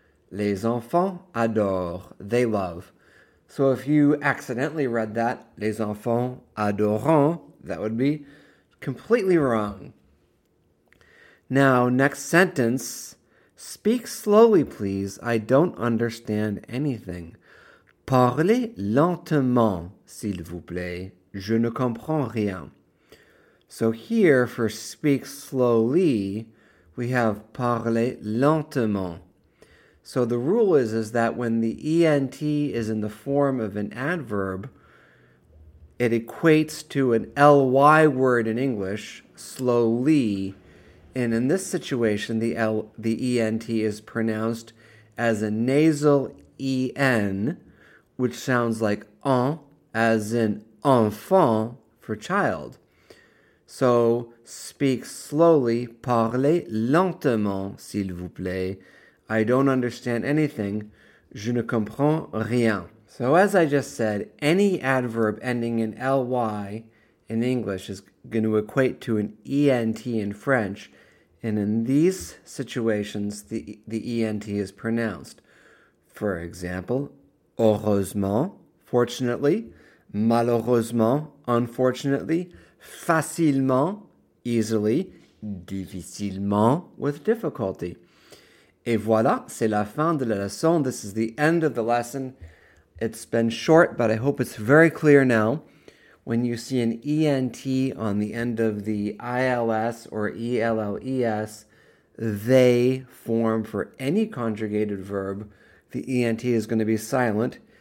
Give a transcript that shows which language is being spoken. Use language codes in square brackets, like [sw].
[fr] Les enfants adorent, [en] they love. So if you accidentally read that, [fr] les enfants adorant, [en] that would be completely wrong. Now, next sentence. Speak slowly, please. I don't understand anything. [fr] Parlez lentement, s'il vous plaît. Je ne comprends rien. [en] So here, for speak slowly, we have [fr] parlez lentement. [en] So the rule is that when the ENT is in the form of an adverb, it equates to an LY word in English, slowly. And in this situation, the ENT is pronounced as a nasal EN, which sounds like en, as in enfant for child. So speak slowly, [fr] parlez lentement, s'il vous plaît. [en] I don't understand anything. [fr] Je ne comprends rien. [en] So, as I just said, any adverb ending in ly in English is going to equate to an ent in French. And in these situations, the ent is pronounced. For example, heureusement, fortunately, malheureusement, unfortunately, facilement, easily, difficilement, with difficulty. [fr] Et voilà, c'est la fin de la leçon. [en] This is the end of the lesson. It's been short, but I hope it's very clear now. when you see an ENT on the end of the ILS or ELLES, they form for any conjugated verb. The ENT is going to be silent.